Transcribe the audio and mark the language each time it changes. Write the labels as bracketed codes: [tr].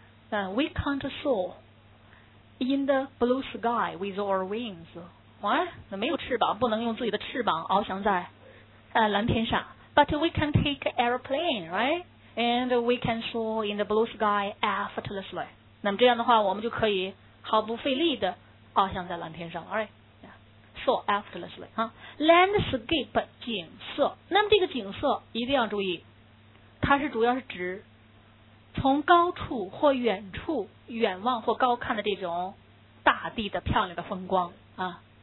[en] We can't soar in the blue sky with our wings. What? [zh] 没有翅膀，不能用自己的翅膀翱翔在蓝天上。 [en] But we can take airplane, right? And we can soar in the blue sky effortlessly. [zh] 那么这样的话，我们就可以毫不费力的翱翔在蓝天上 ，right? [en] Yeah, so effortlessly, [zh] Landscape 景色，那么这个景色一定要注意，它是主要是指从高处或远处远望或高看的这种大地的漂亮的风光啊。